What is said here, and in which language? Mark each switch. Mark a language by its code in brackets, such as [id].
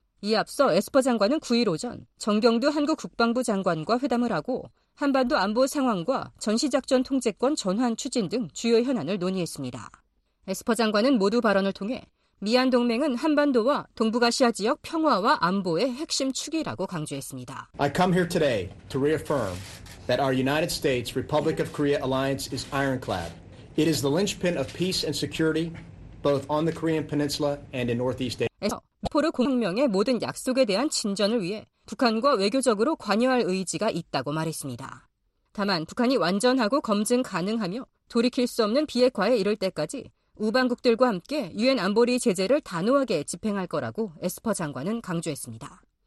[ko] 이에 앞서 에스퍼 장관은 9일 오전 정경두 한국 국방부 장관과 회담을 하고 한반도 안보 상황과 전시작전 통제권 전환 추진 등 주요 현안을 논의했습니다. 에스퍼 장관은 모두 발언을 통해 미한 동맹은 한반도와 동북아시아 지역 평화와 안보의 핵심 축이라고 강조했습니다. [en] I come here today to reaffirm that our United States Republic of Korea alliance is ironclad. It is the linchpin of peace and security both on the Korean Peninsula and in Northeast Asia. [ko] 포르 공명의 모든 약속에 대한 진전을 위해 북한과 외교적으로 관여할 의지가 있다고 말했습니다. 다만 북한이 완전하고 검증 가능하며 돌이킬 수 없는 비핵화에 이를 때까지 우방국들과 함께 유엔 안보리 제재를 단호하게 집행할 거라고 에스퍼 장관은 강조했습니다.